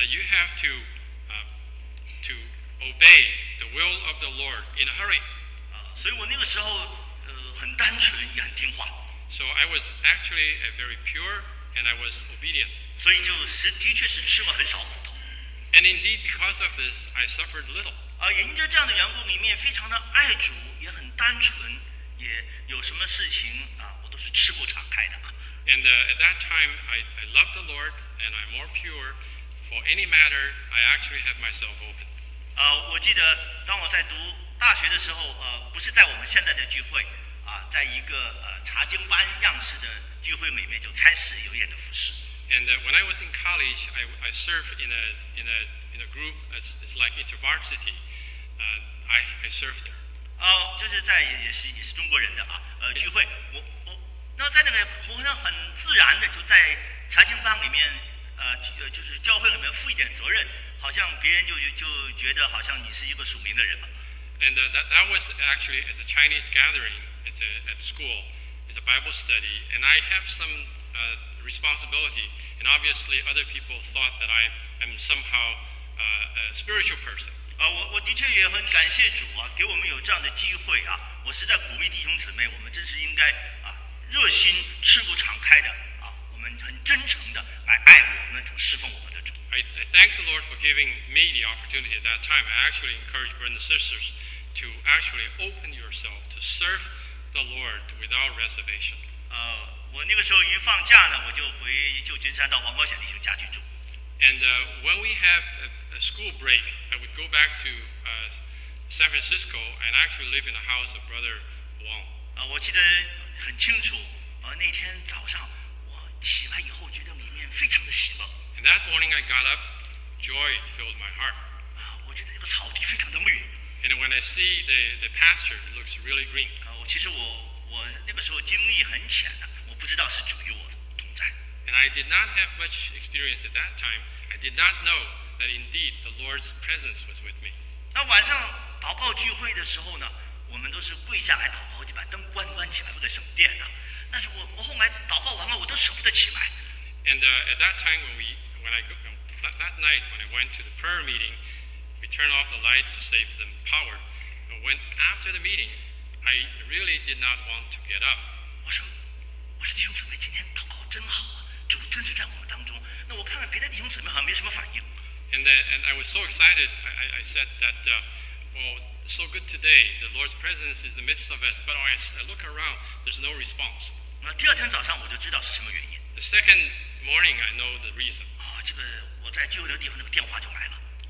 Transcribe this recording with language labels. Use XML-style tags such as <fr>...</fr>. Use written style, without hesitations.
<en>That you have to obey the will of the Lord in a hurry.</en> <zh>所以我那个时候很单纯也很听话。</zh> <en>So I was actually a very pure and I was obedient.</en> <zh>所以就是的确是吃了很少苦头。</zh> <en>And indeed, because of this, I suffered little.</en> <zh>也因着这样的缘故，里面非常的爱主，也很单纯，也有什么事情我都是吃不敞开的。</zh> <en>And at that time, I loved the Lord, and I'm more pure. For any matter, I actually have myself open.</en> <zh>我记得当我在读大学的时候，不是在我们现在的聚会，在一个查经班样式的聚会里面就开始有点的服侍。</zh> <en>And when I was in college, I served in a group. It's like InterVarsity. I served there.</en> <zh>就是在也是中国人的聚会。我在那个我好像很自然的就在查经班里面就是教会里面负一点责任，好像别人就觉得好像你是一个属灵的人。</zh> <en>And that was actually as a Chinese gathering at school. It's a Bible study, and I have some. Responsibility, and obviously other people thought that I am somehow a spiritual person.</en> <zh>我的确也很感谢主啊，给我们有这样的机会啊。我实在鼓励弟兄姊妹，我们真是应该热心吃不敞开的我们很真诚的来爱我们的主，侍奉我们的主。</zh> <en>I thank the Lord for giving me the opportunity at that time. I actually encourage brothers and sisters to actually open yourself to serve the Lord without reservation.</en> <zh>我那个时候一放假呢，我就回旧金山到王宝贤弟兄家去住。</zh> <en>And when we have a school break, I would go back to San Francisco and actually live in the house of Brother Wong.</en> <zh>我记得很清楚，那天早上我起来以后，觉得里面非常的喜乐。</zh> <en>And that morning I got up, joy filled my heart.</en> <zh>我觉得这个草地非常的绿。</zh> <en>And when I see the pasture, it looks really green.</en> <zh>其实我那个时候经历很浅的。不知道是主与我同在。</zh> <en>And I did not have much experience at that time. I did not know that indeed the Lord's presence was with me.</en> <zh>那晚上祷告聚会的时候呢，我们都是跪下来祷告，就把灯关起来，为了省电呢。但是我后来祷告完了，我都舍不得起来。</zh> <en>And at that time when I went to the prayer meeting, we turned off the light to save the power. But when after the meeting, I really did not want to get up.</en> <zh>我说弟兄姊妹，今天祷告真好啊，主真是在我们当中。那我看看别的弟兄姊妹好像没什么反应。</zh> <en>And I was so excited. I said that, well, so good today. The Lord's presence is in the midst of us. But as I look around, there's no response.</en> <zh>那第二天早上我就知道是什么原因。</zh> <en>The second morning, I know the reason.</en> <zh>这个我在聚会的地方那个电话就来了。</zh>